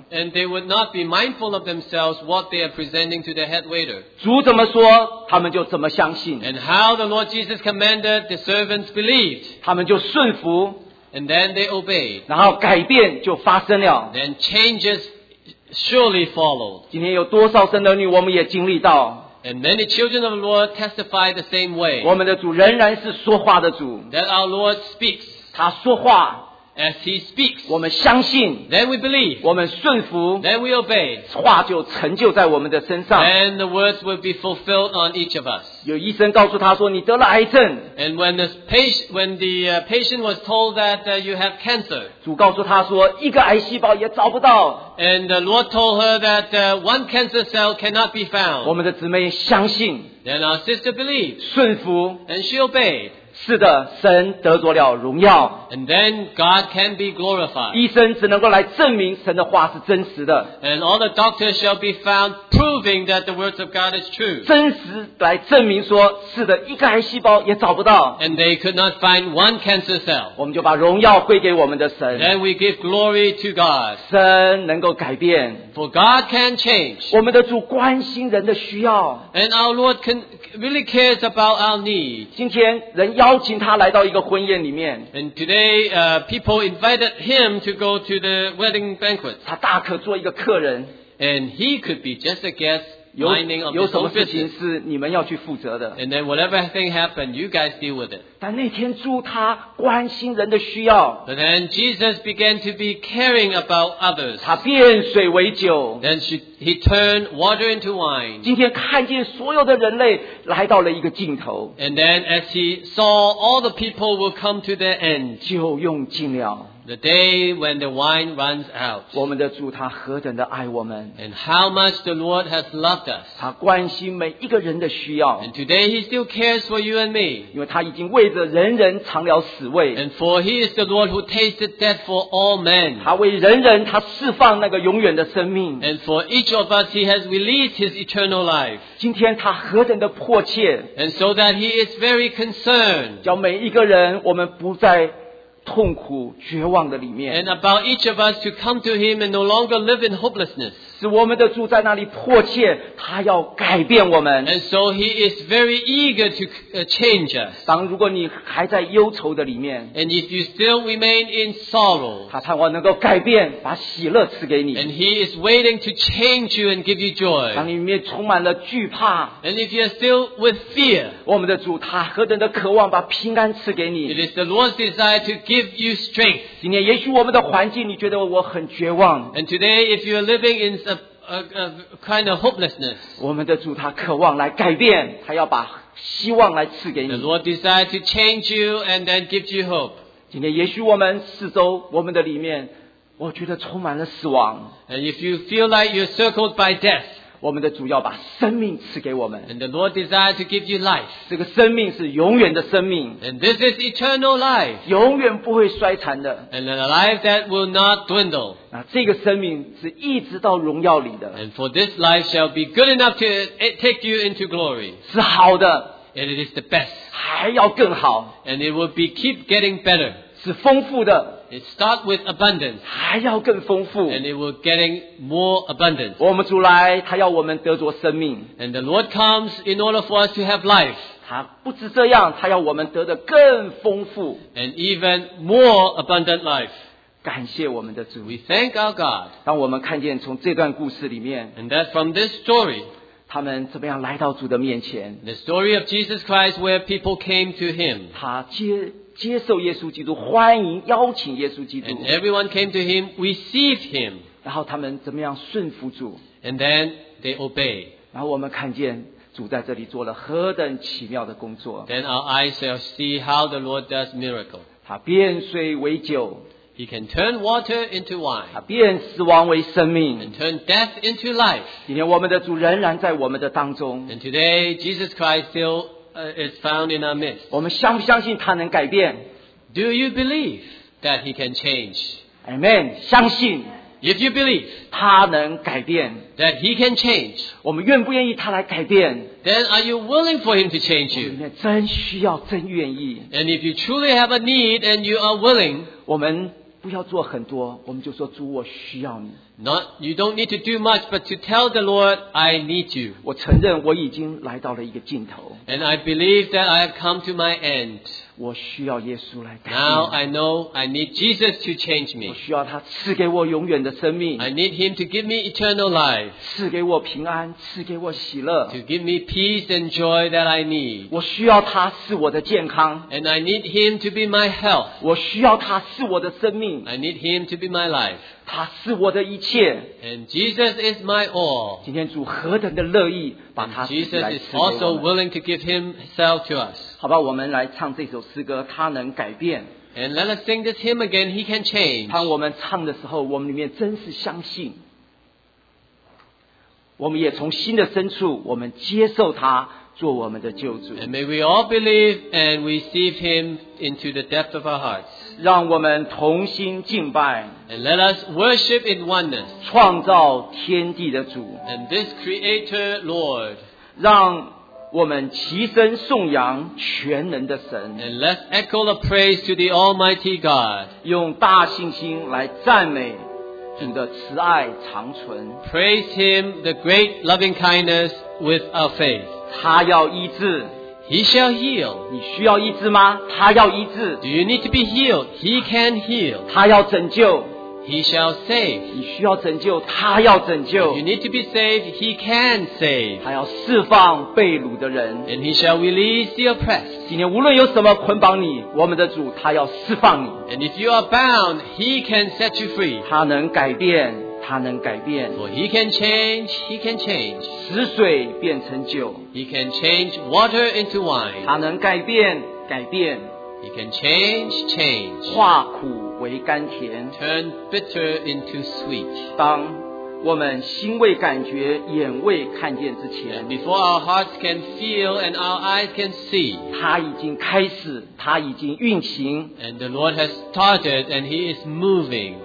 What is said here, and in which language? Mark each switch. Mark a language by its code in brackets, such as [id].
[en] And they would not be mindful of themselves what they are presenting to the head waiter. [zh] 主怎么说，他们就怎么相信。 [en] And how the Lord Jesus commanded, the servants believed. [zh] 他们就顺服。 [en] And then they obeyed. [zh] 然后改变就发生了。 [en] Then changes surely followed. [zh] 今天有多少神的儿女，我们也经历到。 [en] And many children of the Lord testify the same way. [zh] 我们的主仍然是说话的主。 [en] That our Lord speaks. [zh] 他说话。 [en] As he speaks. [zh] 我们相信。 [en] Then we believe. [zh] 我们顺服。 [en] Then we obey. [zh] 话就成就在我们的身上。 [en] And the words will be fulfilled on each of us. [zh] 有医生告诉他说, 你得了癌症。 [en] And when the patient was told that you have cancer. [zh] 主告诉他说, 一个癌细胞也找不到。 [en] And the Lord told her that one cancer cell cannot be found. [zh] 我们的姊妹相信。 [en] Then our sister believed. [zh] 顺服。 [en] And she obeyed. [zh] 是的，神得着了荣耀。 [en] And then God can be glorified. [zh] 医生只能够来证明神的话是真实的。 [en] And all the doctors shall be found proving that the words of God is true. [zh] 真实来证明说，是的，一个癌细胞也找不到。 [en] And they could not find one cancer cell. [zh] 我们就把荣耀归给我们的神。 [en] Then we give glory to God. [zh] 神能够改变。 [en] For God can change. [zh] 我们的主关心人的需要。 [en] And our Lord can really cares about our need. [zh] 今天人邀请他来到一个婚宴里面。 [en] And today, people invited him to go to the wedding banquet. [zh] 他大可做一个客人。 [en] And he could be just a guest [zh] 有什么事情是你们要去负责的。 [en] And then whatever thing happened, you guys deal with it. [zh] 但那天主他关心人的需要。 [en] But then Jesus began to be caring about others. [zh] 他变水为酒。 [en] Then he turned water into wine. [zh] 今天看见所有的人类来到了一个尽头。 [en] And then as he saw all the people will come to their end, [zh] 就用尽了。 [en] The day when the wine runs out. [zh] 我们的主他何等的爱我们。 [en] And how much the Lord has loved us. [zh] 他关心每一个人的需要。 [en] And today he still cares for you and me. [zh] 因为他已经为着人人尝了死味。 [en] And for he is the Lord who tasted death for all men. [zh] 他为人人他释放那个永远的生命。 [en] And for each of us he has released his eternal life. [zh] 今天他何等的迫切。 [en] And so that he is very concerned. [zh] 叫每一个人我们不再 [en] And about each of us to come to Him and no longer live in hopelessness. [zh] 使我们的主在那里迫切, 祂要改变我们。 [en] And so He is very eager to change us. [zh] 当如果你还在忧愁的里面, [en] And if you still remain in sorrow, [zh] 祂盼望能够改变, 把喜乐赐给你。 [en] And He is waiting to change you and give you joy. [zh] 当里面充满了惧怕, [en] And if you are still with fear, [zh] 我们的主, 祂何等的渴望, 把平安赐给你。 [en] It is the Lord's desire to give you strength. [zh] 今天也许我们的环境, 你觉得我很绝望。 [en] And today, if you are living in kind of hopelessness. [zh] 我们的主他渴望来改变, 祂要把希望来赐给你。 [en] The Lord desires to change you and then give you hope. [zh] 今天也许我们四周, 我们的里面, 我觉得充满了死亡。 [en] And if you feel like you're circled by death, [zh] 我们的主要把生命赐给我们。 [en] And the Lord desires to give you life. [zh] 这个生命是永远的生命。 [en] And this is eternal life. [zh] 永远不会衰残的。 [en] And a life that will not dwindle. [zh] 这个生命是一直到荣耀里的。 [en] And for this life shall be good enough to take you into glory. [zh] 是好的。 [en] And it is the best. [zh] 还要更好。 [en] And it will be keep getting better. [zh] 是丰富的。 [en] It starts with abundance. [zh] 还要更丰富。 [en] And it will getting more abundant. [zh] 我们主来, 祂要我们得着生命。 [en] And the Lord comes in order for us to have life. [zh] 祂不止这样, 祂要我们得的更丰富。 [en] And even more abundant life. [zh] 感谢我们的主。 [en] We thank our God. [zh] 当我们看见从这段故事里面, [en] And that from this story, [zh] 他们怎么样来到主的面前, [en] The story of Jesus Christ where people came to Him. [zh] 接受耶稣基督, 欢迎, 邀请耶稣基督, [en] and everyone came to him, received him. [zh] 然后他们怎么样顺服主, [en] and then they obey. [zh] 然后我们看见主在这里做了何等奇妙的工作。 [en] Then our eyes shall see how the Lord does miracle. [zh] 他变水为酒, [en] he can turn water into wine. [zh] 他变死亡为生命, [en] and turn death into life. [zh] 今天我们的主仍然在我们的当中。 [en] And today Jesus Christ still is found in our midst. [zh] 我们相不相信他能改变? [en] Do you believe that he can change? [zh] Amen. 相信, [en] if you believe [zh] 他能改变, [en] that he can change, [zh] 我们愿不愿意他来改变? [en] Then are you willing for him to change you? [zh] 我们真需要真愿意。 [en] And if you truly have a need and you are willing, [zh] 我们不要做很多, 我们就说主, 我需要你。 [en] Not, you don't need to do much, but to tell the Lord, I need you. [zh] 我承认我已经来到了一个尽头。 [en] And I believe that I have come to my end. [zh] 我需要耶稣来改变。 [en] Now I know I need Jesus to change me. [zh] 我需要他赐给我永远的生命。 [en] I need him to give me eternal life. [zh] 赐给我平安, 赐给我喜乐。 [en] To give me peace and joy that I need. [zh] 我需要他是我的健康。 [en] And I need him to be my health. [zh] 我需要他是我的生命。 [en] I need him to be my life. [zh] 他是我的一切。 [en] And Jesus is my all. [zh] 今天主何等的乐意, [en] And Jesus is also willing to give himself to us. [zh] 好吧, 我们来唱这首诗歌, 祂能改变。 [en] And let us sing this hymn again, he can change. [zh] 当我们唱的时候, 我们里面真是相信。我们也从心的深处, 我们接受祂, 做我们的救主。 [en] And may we all believe and receive him into the depth of our hearts. [zh] 让我们同心敬拜, [en] and let us worship in oneness. [zh] 创造天地的主, [en] and this Creator Lord. [zh] 让我们齐声颂扬, 全能的神, [en] and let's echo the praise to the Almighty God. [zh] 用大信心来赞美主的慈爱长存, [en] praise him the great loving kindness with our faith. [zh] 祂要医治, [en] he shall heal. [zh] 你需要医治吗? 祂要医治。 [en] Do you need to be healed? He can heal. [zh] 祂要拯救, [en] He shall save. [zh] 你需要拯救，他要拯救。 [en] If you need to be saved, he can save. [zh] 他要释放被掳的人。 [en] And he shall release the oppressed. [zh] 今天无论有什么捆绑你，我们的主他要释放你。 [en] And if you are bound, he can set you free. [zh] 他能改变，他能改变。 [en] For he can change, he can change. [zh] 死水变成酒。 [en] He can change water into wine. [zh] 他能改变，改变。 [en] He can change, change. [zh] 化苦为甘甜。 [en] Turn bitter into sweet. [zh] 当我们心未感觉，眼未看见之前。 [en] And before our hearts can feel and our eyes can see. [zh] 他已经开始，他已经运行。 [en] And the Lord has started and he is moving.